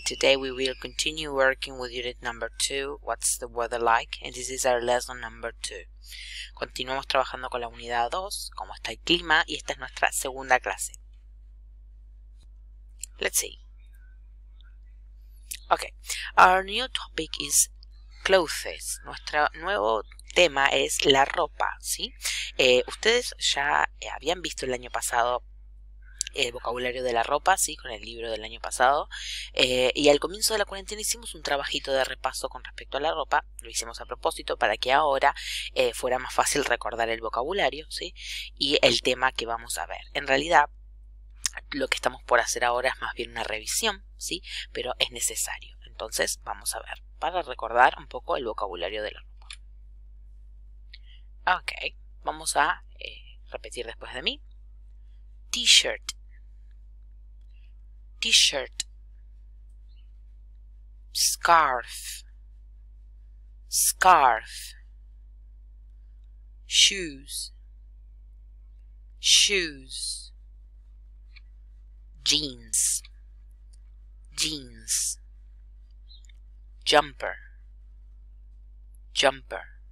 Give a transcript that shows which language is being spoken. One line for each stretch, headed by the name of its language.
English: Today we will continue working with unit number 2, What's the weather like? And this is our lesson number 2.
Spanish: Continuamos trabajando con la unidad 2, ¿cómo está el clima? Y esta es nuestra segunda clase.
English: Let's see. Okay, our new topic is clothes.
Spanish: Nuestro nuevo tema es la ropa, ¿sí? Ustedes ya habían visto el año pasado el vocabulario de la ropa, sí, con el libro del año pasado. Y al comienzo de la cuarentena hicimos un trabajito de repaso con respecto a la ropa. Lo hicimos a propósito para que ahora fuera más fácil recordar el vocabulario, sí, y el tema que vamos a ver. En realidad, lo que estamos por hacer ahora es más bien una revisión, sí, pero es necesario. Entonces, vamos a ver para recordar un poco el vocabulario de la ropa. Ok, vamos a repetir después de mí.
English: T-shirt, t-shirt, scarf, scarf, shoes, shoes, jeans, jeans, jumper, jumper,